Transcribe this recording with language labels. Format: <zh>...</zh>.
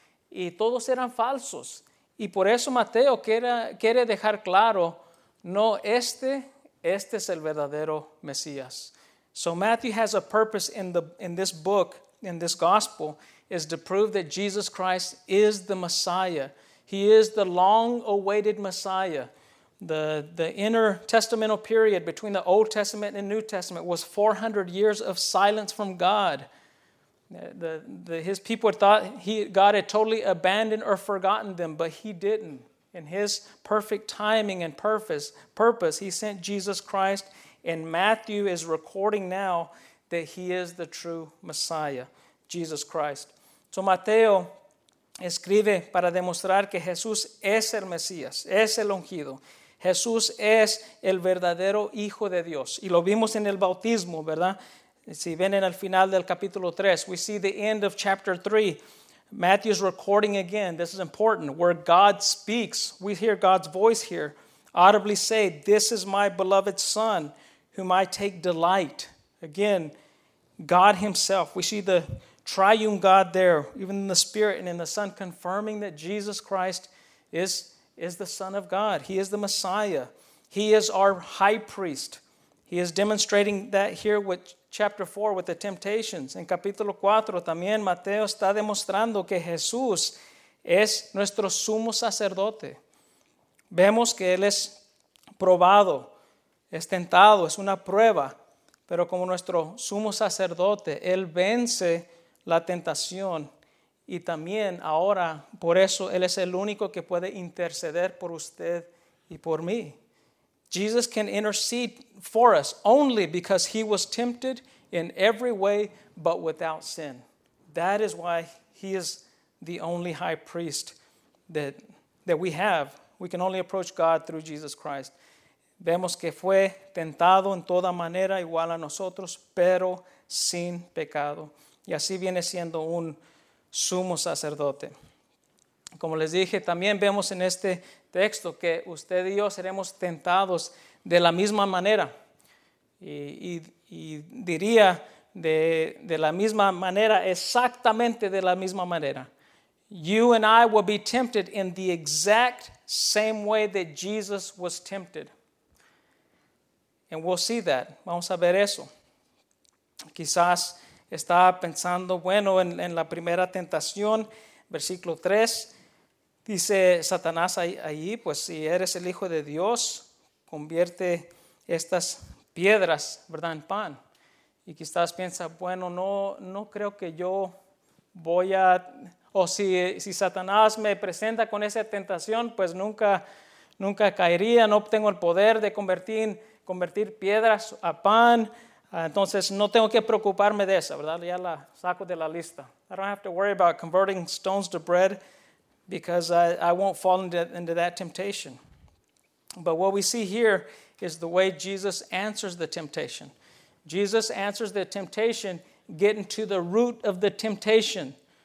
<es>Y todos eran falsos. Y por eso Mateo quiere dejar claro, no, este es el verdadero Mesías.</es> <en>So Matthew has a purpose in this gospel, is to prove that Jesus Christ is the Messiah. He is the long-awaited Messiah. The intertestamental period between the Old Testament and New Testament was 400 years of silence from God. His people thought God had totally abandoned or forgotten them, but he didn't. In his perfect timing and purpose, he sent Jesus Christ, and Matthew is recording now that he is the true Messiah, Jesus Christ.</en> <es>So Mateo escribe para demostrar que Jesús es el Mesías, es el ungido. Jesús es el verdadero Hijo de Dios. Y lo vimos en el bautismo, ¿verdad? Si ven en el final del capítulo 3,</es> <en>we see the end of chapter 3. Matthew is recording again, this is important, where God speaks. We hear God's voice here audibly say, "This is my beloved Son, whom I take delight." Again, God himself. We see the triune God there, even in the Spirit and in the Son, confirming that Jesus Christ is the Son of God. He is the Messiah. He is our high priest. He is demonstrating that here with chapter 4, with the temptations.</en> <es>En capítulo 4, también Mateo está demostrando que Jesús es nuestro sumo sacerdote. Vemos que Él es probado, es tentado, es una prueba. Pero como nuestro sumo sacerdote, Él vence la tentación. Y también ahora, por eso, Él es el único que puede interceder por usted y por mí.</es> <en>Jesus can intercede for us only because he was tempted in every way but without sin. That is why he is the only high priest that we have. We can only approach God through Jesus Christ.</en> <es>Vemos que fue tentado en toda manera igual a nosotros, pero sin pecado. Y así viene siendo un sumo sacerdote. Como les dije, también vemos en este texto que usted y yo seremos tentados de la misma manera. Y diría de la misma manera, exactamente de la misma manera.</es> <en>You and I will be tempted in the exact same way that Jesus was tempted. And we'll see that.</en> <es>Vamos a ver eso. Quizás estaba pensando, bueno, en la primera tentación, versículo 3. Dice Satanás ahí, pues si eres el Hijo de Dios, convierte estas piedras, ¿verdad?, en pan. Y quizás piensa, bueno, no creo que yo voy a... O si Satanás me presenta con esa tentación, pues nunca caería, no tengo el poder de convertir piedras a pan. Entonces no tengo que preocuparme de esa, ¿verdad? Ya la saco de la lista.</es> <en>I don't have to worry about converting stones to bread, because I won't fall into that temptation. But what we see here is the way Jesus answers the temptation. Jesus answers the temptation getting to the root of the temptation.</en>